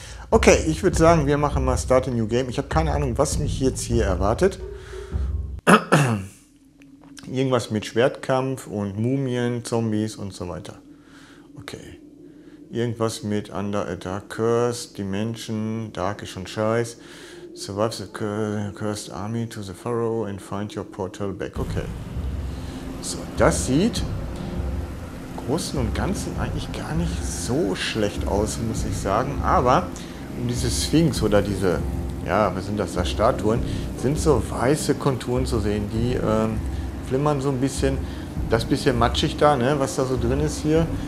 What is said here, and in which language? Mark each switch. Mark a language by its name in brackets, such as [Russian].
[German] Okay, ich würde sagen, wir machen mal Start a New Game. Ich habe keine Ahnung, was mich jetzt hier erwartet. Irgendwas mit Schwertkampf und Mumien, Zombies und so weiter. Okay. Irgendwas mit Under a Dark Curse, Dimension, Dark ist schon scheiß. [English] Survive the Cursed Army to the Pharaoh and find your portal back. Okay. [German] So, das sieht im Großen und Ganzen eigentlich gar nicht so schlecht aus, muss ich sagen. Aber um diese Sphinx oder diese, ja, was sind das da, Statuen, sind so weiße Konturen zu sehen, die flimmern so ein bisschen, das bisschen matschig da, ne, was da so drin ist hier.